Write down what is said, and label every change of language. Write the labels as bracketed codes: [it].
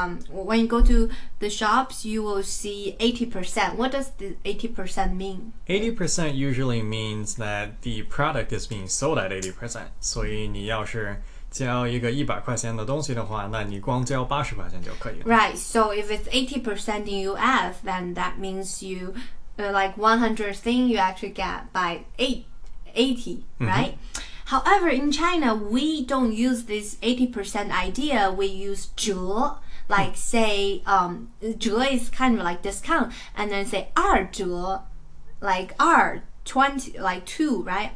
[en] when you go to the shops, you will see 80%. What does the 80% mean? 80% usually means that the product is being sold at 80%. [zh] 所以你要是交一个100块钱的东西的话，那你光交80块钱就可以了。 [en] Right, so if it's 80% in US, then that means you, like 100 thing you actually get by 80, right? However, in China, we don't use this 80% idea. We use 折, like say, 折 is kind of like discount, and then say 二折, like 二, 20, like 2, right?